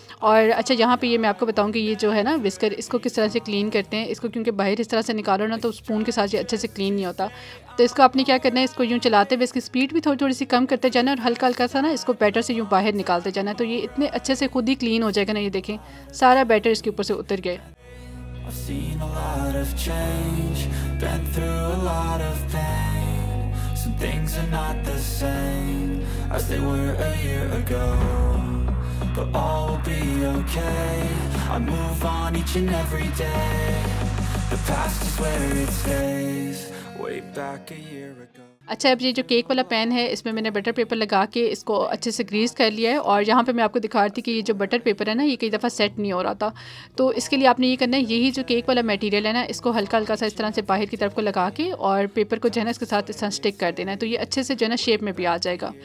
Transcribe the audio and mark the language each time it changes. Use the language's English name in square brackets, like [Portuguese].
[Hindi] और अच्छा यहाँ पे ये मैं आपको बताऊँगी ये जो है ना विस्कर इसको किस तरह से क्लीन करते हैं इसको, क्योंकि बाहर इस तरह से निकालो ना तो स्पून के साथ ये अच्छे से क्लीन नहीं होता। तो इसको आपने क्या करना है, इसको यूँ चलाते हुए इसकी स्पीड भी थोड़ी थोड़ी सी कम करते जाना और हल्का हल्का सा ना इसको बैटर से यूँ बाहर निकालते जाना, तो ये इतने अच्छे से खुद ही क्लीन हो जाएगा ना। ये देखें सारा बैटर इसके ऊपर से उतर गया। [English] I've seen a lot of change, been through a lot of pain. Some things are not the same as they were a year ago, but all will be okay. I move on each and every day. The past is where it stays, way back a year ago. [Hindi] अच्छा अब ये जो cake वाला pan है इसमें मैंने butter paper लगा के इसको अच्छे से ग्रीस कर लिया है, और यहाँ पे मैं आपको दिखा रही थी कि ये जो बटर पेपर है ना ये कई दफ़ा सेट नहीं हो रहा था, तो इसके लिए आपने ये करना है यही जो केक वाला मटेरियल है ना इसको हल्का हल्का सा इस तरह से बाहर की तरफ को लगा के और पेपर को जो है ना इसके साथ इस तरह स्टिक कर देना है, तो ये अच्छे से जो है ना शेप में भी आ जाएगा।